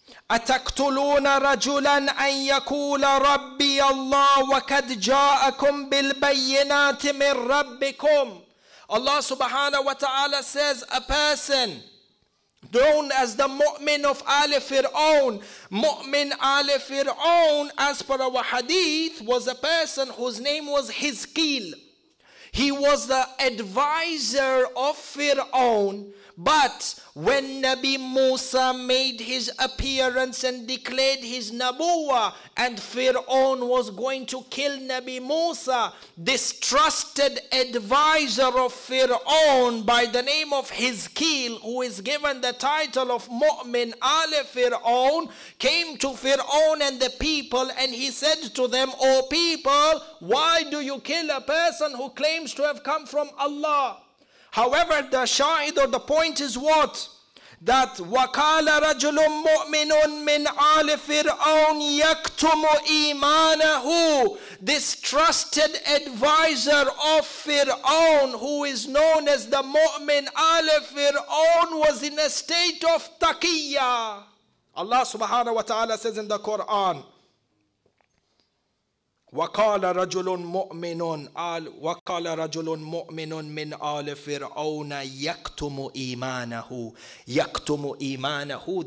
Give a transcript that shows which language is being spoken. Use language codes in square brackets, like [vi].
[ar] أتقتلون رجلا أن يقول ربي الله وقد جاءكم بالبينات من ربكم. [en] Allah subhanahu wa ta'ala says, a person known as the mu'min of Ali Fir'aun, mu'min Ali Fir'aun, as per our hadith, was a person whose name was Hizqil. He was the advisor of Fir'aun. But when Nabi Musa made his appearance and declared his Nabuwah, and Fir'aun was going to kill Nabi Musa, this trusted advisor of Fir'aun by the name of Hizqil, who is given the title of Mu'min Ali Fir'aun, came to Fir'aun and the people and he said to them, O people, why do you kill a person who claims to have come from Allah? However, the shahid or the point is what? [ar] That وَقَالَ رَجُلٌ مُؤْمِنٌ مِّنْ آلِ فِرْعَوْنِ يَكْتُمُ إِيمَانَهُ. [en] This trusted advisor of Fir'aun, who is known as the Mu'min Ali Fir'aun, was in a state of taqiyya. Allah subhanahu wa ta'ala says in the Quran, [ar] وَقَالَ رَجُلٌ مُؤْمِنٌ وَقَالَ رَجُلٌ مُؤْمِنٌ مِنْ آلِ فِرْعَوْنَ يَكْتُمُ إِيمَانَهُ يَكْتُمُ إِيمَانَهُ.